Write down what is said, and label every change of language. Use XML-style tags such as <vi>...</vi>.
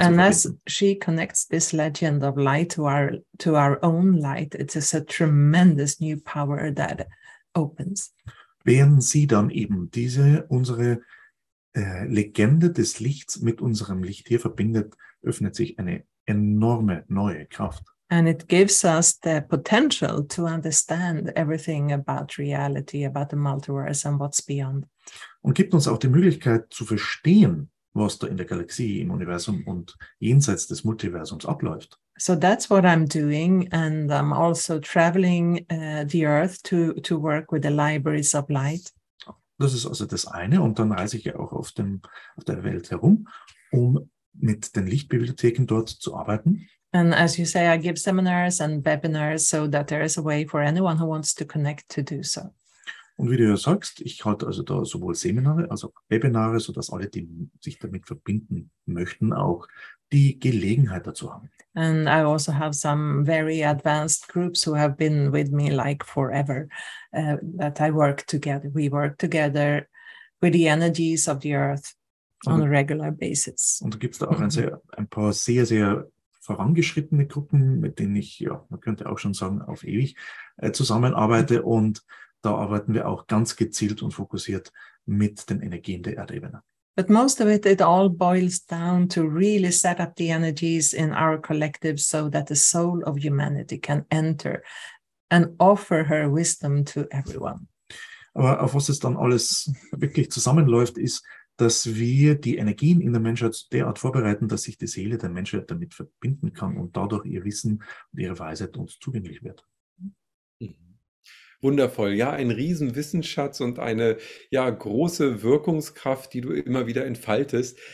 <en>and</en> <de>zu verbinden.</de> <en>And as she connects this legend of light to our own light, it is a tremendous new power that opens.</en> <de>Während sie dann eben diese unsere Legende des Lichts mit unserem Licht hier verbindet, öffnet sich eine enorme neue Kraft.</de> <en>And it gives us the potential to understand everything about reality, about the multiverse and what's beyond.</en> <de>Und gibt uns auch die Möglichkeit zu verstehen, was da in der Galaxie, im Universum und jenseits des Multiversums abläuft.</de> <en>So that's what I'm doing and I'm also traveling the earth to work with the libraries of light.</en> <de>Das ist also das eine und dann reise ich ja auch auf der Welt herum, um mit den Lichtbibliotheken dort zu arbeiten.</de> <en>And as you say, I give seminars and webinars so that there is a way for anyone who wants to connect to do so.</en> <de>Und wie du ja sagst, ich halte also da sowohl Seminare, also Webinare, sodass alle, die sich damit verbinden möchten, auch die Gelegenheit dazu haben.</de> <en>And I also have some very advanced groups who have been with me like forever, that I work together. We work together with the energies of the earth on a regular basis.</en> <de>Und gibt's da auch ein paar sehr, sehr vorangeschrittene Gruppen, mit denen ich, ja, man könnte auch schon sagen, auf ewig zusammenarbeite. Und da arbeiten wir auch ganz gezielt und fokussiert mit den Energien der Erdebene.</de> <en>But most of it all boils down to really set up the energies in our collective so that the soul of humanity can enter and offer her wisdom to everyone.</en> <de>Aber auf was es dann alles wirklich zusammenläuft, ist, dass wir die Energien in der Menschheit derart vorbereiten, dass sich die Seele der Menschheit damit verbinden kann und dadurch ihr Wissen und ihre Weisheit uns zugänglich wird. Wundervoll, ja, ein riesen Wissensschatz und eine, ja, große Wirkungskraft, die du immer wieder entfaltest.</de>